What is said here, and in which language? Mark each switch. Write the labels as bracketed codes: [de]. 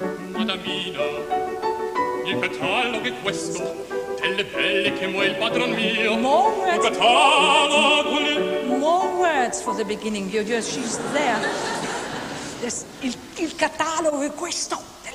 [it] Madamina, il catalogo è questo, delle belle che muo il padron mio. [en] More words. [it] Il catalogo. [en] More words for the beginning, you're just, she's there. [it] Yes, il catalogo è questo.